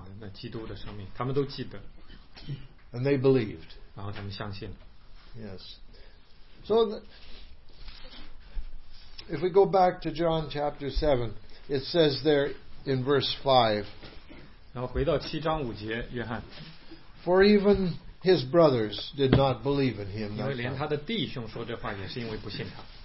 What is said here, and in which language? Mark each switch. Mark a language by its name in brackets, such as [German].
[Chinese] 所以他们会回想起那无瑕的纯洁的生命，他们一同成长的那基督的生命，他们都记得。 [English] And they believed. [Chinese] 然后他们相信了。 [English] Yes. So if we go back to John chapter 7, it says there in verse 5, [Chinese] 然后回到七章五节，约翰, [English] for even his brothers did not believe in him. [Chinese] 因为连他的弟兄说这话也是因为不信他。